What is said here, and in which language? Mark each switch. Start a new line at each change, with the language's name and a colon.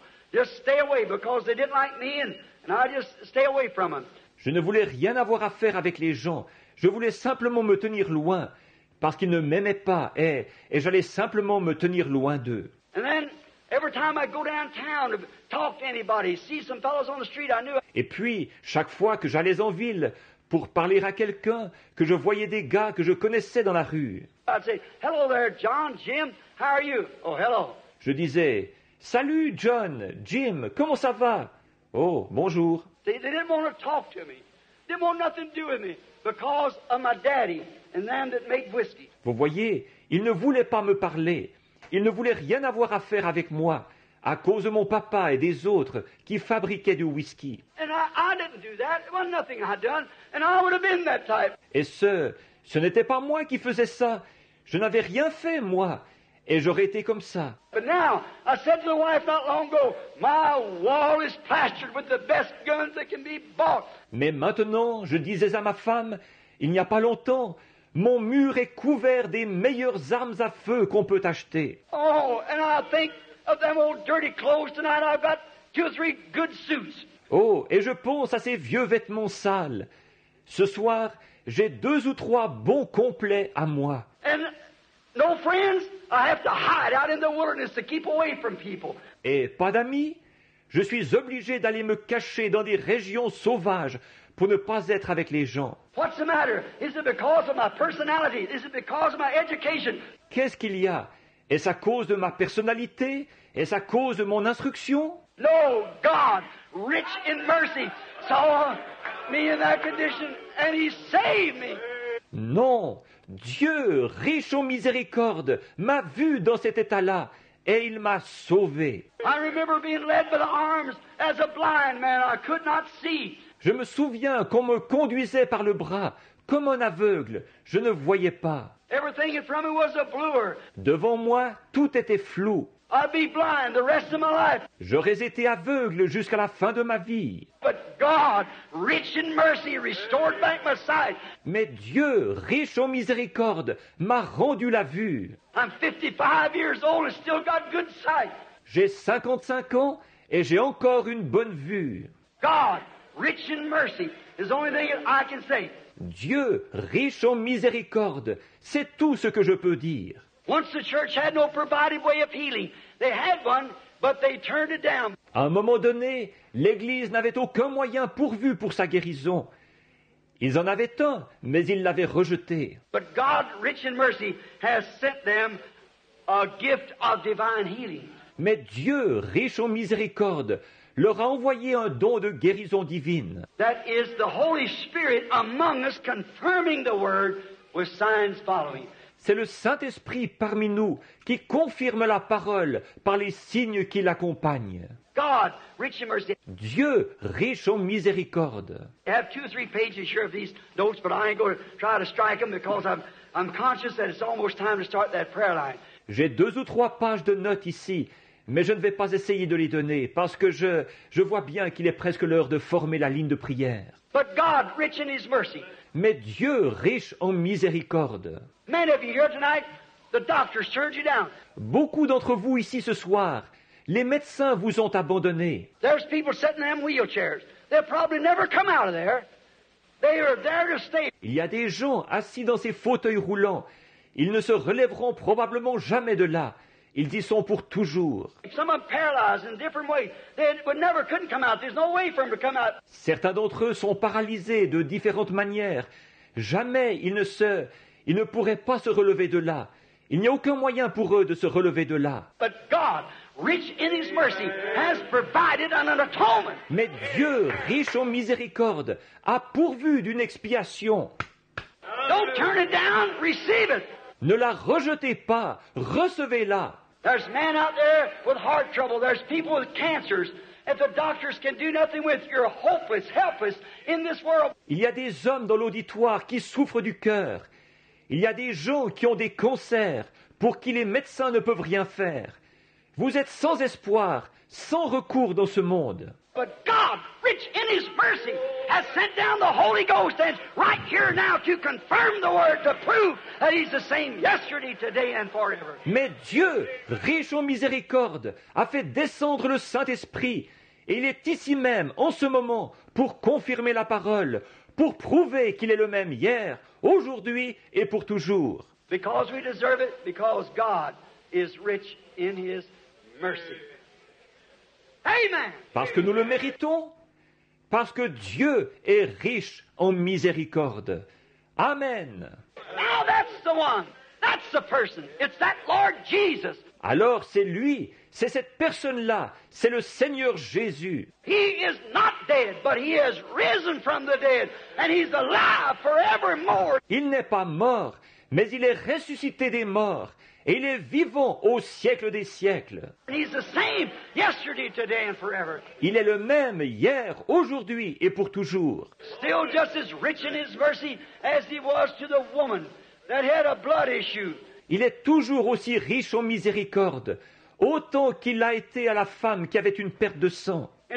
English: Just stay away because they didn't like me and And I just stay away from them.
French: Je ne voulais rien avoir à faire avec les gens. Je voulais simplement me tenir loin parce qu'ils ne m'aimaient pas et j'allais simplement me tenir loin d'eux.
English: And then, every time I'd go downtown to talk to anybody, see some fellows on the street I knew.
French: Et puis, chaque fois que j'allais en ville pour parler à quelqu'un, que je voyais des gars que je connaissais dans la rue.
English: I'd say, hello there, John, Jim, how are you? Oh, hello.
French: Je disais, salut, John, Jim, comment ça va? Oh, bonjour.
English: They didn't want to talk to me. They didn't want nothing to do with me because of my daddy and them that made whiskey.
French: Vous voyez, ils ne voulaient pas me parler. Ils ne voulaient rien avoir à faire avec moi à cause de mon papa et des autres qui fabriquaient du whisky.
English: And I didn't do that. It wasn't nothing I'd done. And I would have been that type.
French: Et ce n'était pas moi qui faisais ça. Je n'avais rien fait, moi. Et j'aurais été comme ça.
English: But now, I said to the wife not long ago, my wall is plastered with the best guns that can be bought.
French: Mais maintenant, je disais à ma femme, il n'y a pas longtemps, mon mur est couvert des meilleures armes à feu qu'on peut acheter.
English: Oh, and I think of them old dirty clothes tonight, I've got two or three good suits.
French: Oh, et je pense à ces vieux vêtements sales. Ce soir, j'ai deux ou trois bons complets à moi.
English: And no friends? I have to hide out in the wilderness to keep away from people.
French: Et pas d'amis? Je suis obligé d'aller me cacher dans des régions sauvages pour ne pas être avec les gens.
English: What's the matter? Is it because of my personality? Is it because of my education?
French: Qu'est-ce qu'il y a? Est-ce à cause de ma personnalité? Est-ce à cause de mon instruction?
English: No, God, rich in mercy, saw me in that condition and he saved me.
French: Non, Dieu, riche en miséricorde, m'a vu dans cet état-là et il m'a sauvé.
English: I remember being led by the arms as a blind man. I could not see.
French: Je me souviens qu'on me conduisait par le bras, comme un aveugle. Je ne voyais pas.
English: Everything in front of me was a blur.
French: Devant moi, tout était flou.
English: I'd be blind the rest of my life.
French: J'aurais été aveugle jusqu'à la fin de ma vie.
English: But God, rich in mercy, restored back my sight.
French: Mais Dieu, riche en miséricorde, m'a rendu la vue.
English: I'm 55 years old and still got good sight.
French: J'ai 55 ans et j'ai encore une bonne vue.
English: God, rich in mercy, is the only thing I can say.
French: Dieu, riche en miséricorde, c'est tout ce que je peux dire.
English: Once the church had no provided way of healing. They had one, but they turned it down.
French: À un moment donné, l'Église n'avait aucun moyen pourvu pour sa guérison. Ils en avaient un, mais ils l'avaient rejeté.
English: But God, rich in mercy, has sent them a gift of divine healing.
French: Mais Dieu, riche en miséricorde, leur a envoyé un don de guérison divine.
English: That is the Holy Spirit among us confirming the word with signs following.
French: C'est le Saint-Esprit parmi nous qui confirme la parole par les signes qui l'accompagnent.
English: God, rich in mercy.
French: Dieu, riche en miséricorde.
English: I have two or three pages here of these notes, but I ain't going to try to strike them because I'm conscious that it's almost time to start that prayer line.
French: J'ai deux ou trois pages de notes ici, mais je ne vais pas essayer de les donner parce que je vois bien qu'il est presque l'heure de former la ligne de prière.
English: But God, rich in his mercy.
French: Mais Dieu, riche en miséricorde.
English: Many of you here tonight, the doctors turned you down.
French: Beaucoup d'entre vous ici ce soir, les médecins vous ont abandonné.
English: There's people sitting in wheelchairs. They'll probably never come out of there. They are there to stay.
French: Il y a des gens assis dans ces fauteuils roulants. Ils ne se relèveront probablement jamais de là. Ils y sont pour toujours.
English: Some are paralyzed in different ways. They would never couldn't come out. There's no way for them to come out.
French: Certains d'entre eux sont paralysés de différentes manières. Jamais ils ne se Ils ne pourraient pas se relever de là. Il n'y a aucun moyen pour eux de se relever de là.
English: But God, rich in his mercy, has provided an atonement.
French: Mais Dieu, riche en miséricorde, a pourvu d'une expiation.
English: Don't turn it down, receive it.
French: Ne la rejetez pas, recevez-la.
English: There's men out there with heart trouble. There's people with cancers. If the doctors can do nothing with you, you're hopeless, helpless in this world.
French: Il y a des hommes dans l'auditoire qui souffrent du cœur. Il y a des gens qui ont des cancers pour qui les médecins ne peuvent rien faire. Vous êtes sans espoir, sans recours dans ce monde.
English: But God, rich in his mercy, has sent down the Holy Ghost and right here now to confirm the word, to prove that he's the same yesterday, today and forever.
French: Mais Dieu, riche en miséricorde, a fait descendre le Saint-Esprit Et il est ici même, en ce moment, pour confirmer la parole, pour prouver qu'il est le même hier, aujourd'hui et pour toujours.
English: Because we deserve it, because God is rich in his mercy. Amen.
French: Parce que nous le méritons, parce que Dieu est riche en miséricorde. Amen.
English: Now that's the one. That's the person. It's that Lord Jesus.
French: Alors c'est lui, c'est cette personne-là, c'est le Seigneur Jésus.
English: He is not dead, but he has risen from the dead, and he's alive forevermore.
French: Il n'est pas mort, mais il est ressuscité des morts, et il est vivant au siècle des siècles.
English: He's the same yesterday, today, and forever.
French: Il est le même hier, aujourd'hui et pour toujours.
English: Still just as rich in his mercy as he was to the woman that had a blood issue.
French: Il est toujours aussi riche en miséricorde, autant qu'il l'a été à la femme qui avait une perte de sang.